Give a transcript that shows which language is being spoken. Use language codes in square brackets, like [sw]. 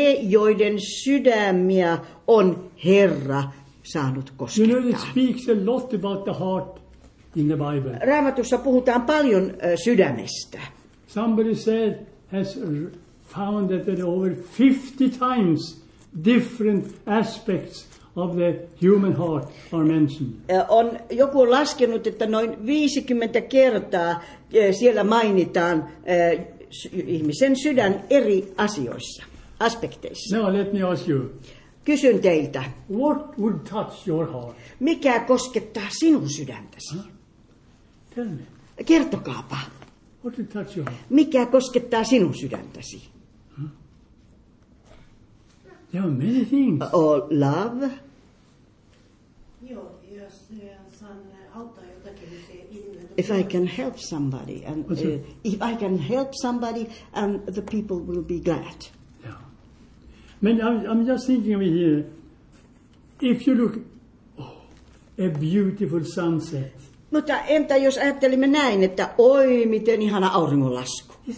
[fi] Joiden sydämiä on Herra saanut koskettaa. [en] You know, it speaks a lot about the heart in the Bible. [fi] Raamatussa puhutaan paljon sydämestä. [en] Somebody said has found that there are over 50 times different aspects of the human heart are mentioned. [fi] On joku laskenut, että noin 50 kertaa siellä mainitaan ihmisen sydän eri asioissa. Aspekteissa. [en] Now let me ask you. [fi] Kysyn teiltä. [en] What would touch your heart? [fi] Mikä koskettaa sinun sydäntäsi? [en] Tell me. [fi] Kertokaapa. [en] What would touch your heart? [fi] Mikä koskettaa sinun sydäntäsi? [en] There are many things. All love. [fi] Joo, jos saan auttaa jotakin, se [en] if I can help somebody and if I can help somebody and the people will be glad. Man, I'm just thinking of it here. If you look, a beautiful sunset. [fi] Mutta entä jos ajattelimme näin, että oi miten ihana auringonlasku.